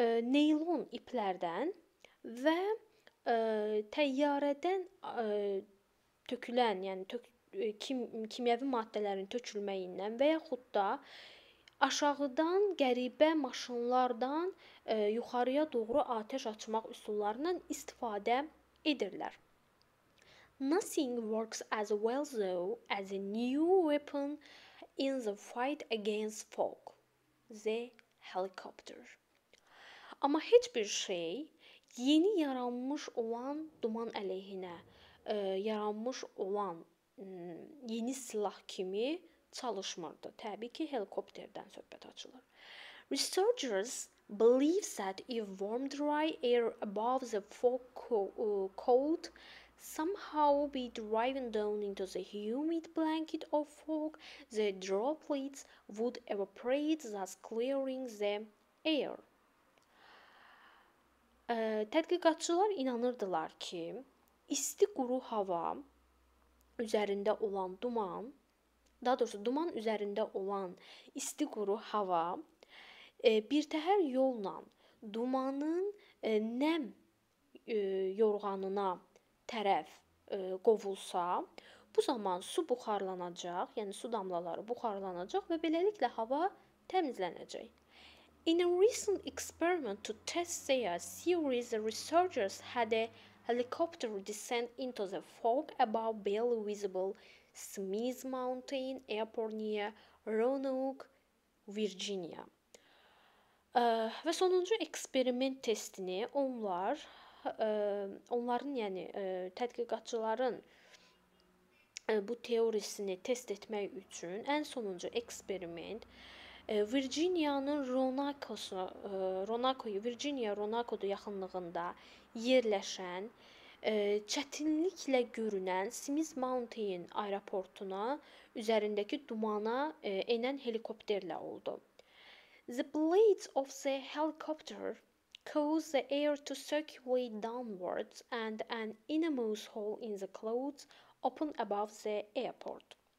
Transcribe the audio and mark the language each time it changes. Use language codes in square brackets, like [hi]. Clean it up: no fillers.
[az] neylon iplərdən və təyyarədən tökülən, yəni kimyəvi maddələrin tökülməyindən və yaxud da aşağıdan qəribə maşınlardan yuxarıya doğru atəş açmaq üsullarından istifadə edirlər. [en] Nothing works as well, though, as a new weapon in the fight against fog, the helicopter. [az] Amma heç bir şey yeni yaranmış olan duman əleyhinə, yaranmış olan yeni silah kimi çalışmırdı. Təbii ki, helikopterdən söhbət açılır. [en] Researchers believe that if warm dry air above the fog cold somehow be driven down into the humid blanket of fog, the droplets would evaporate, thus clearing the air. [az] Tədqiqatçılar inanırdılar ki, isti quru hava üzərində olan duman, daha doğrusu duman üzərində olan isti quru hava bir təhər yolla dumanın nəm yorğanına tərəf qovulsa, bu zaman su buxarlanacaq, yəni su damlaları buxarlanacaq və beləliklə hava təmizlənəcək. [en] In a recent experiment to test their theory, the researchers had a helicopter descend into the fog above barely visible Smith Mountain Airport near Roanoke, Virginia. [az] Və sonuncu eksperiment testini onlar, onların yəni tədqiqatçıların bu teorisini test etmək üçün ən sonuncu eksperiment Virginia'nın Roanoke'da yaxınlığında yerləşən, çətinliklə görünən Smith Mountain aeroportuna üzərindəki dumana enən helikopterlə oldu. [en] The blades of the helicopter cause the air to circulate downwards and an enormous hole in the clouds open above the airport.